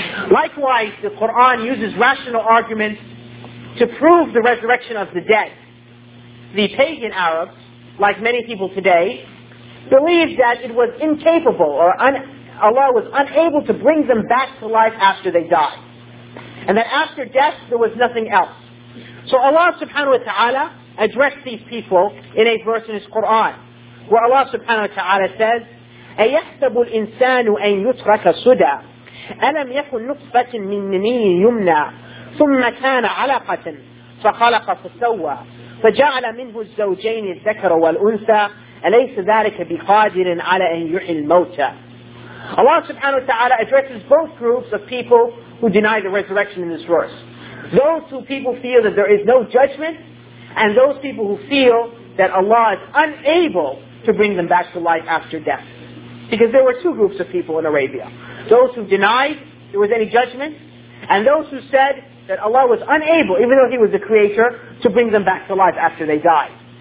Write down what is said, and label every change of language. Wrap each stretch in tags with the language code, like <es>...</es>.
<en>Likewise, the Quran uses rational arguments to prove the resurrection of the dead. The pagan Arabs, like many people today, believed that it was incapable, or Allah was unable to bring them back to life after they died. And that after death, there was nothing else. So Allah subhanahu wa ta'ala addressed these people in a verse in His Quran, where Allah subhanahu wa ta'ala says,</en> <ar>أَيَحْسَبُ الْإِنسَانُ أَن يُتْرَكَ سُدَى أَلَمْ يَكُنْ نُطْفَةٍ مِنْ مَنِيٍّ يُمْنَى ثُمَّ كَانَ عَلَقَةً فَخَلَقَ فَسَوَّى فَجَعَلَ مِنْهُ الزَّوْجَيْنِ الذَّكَرَ وَالْأُنْثَى أَلَيْسَ ذَلِكَ بِقَادِرٍ عَلَى أَنْ يُحْيِيَ الْمَوْتَى.</ar> <en>Allah subhanahu wa ta'ala addresses both groups of people who deny the resurrection in this verse. Those who people feel that there is no judgment, and those people who feel that Allah is unable to bring them back to life after death. Because there were two groups of people in Arabia. Those who denied there was any judgment, and those who said that Allah was unable, even though He was the Creator, to bring them back to life after they died.</en>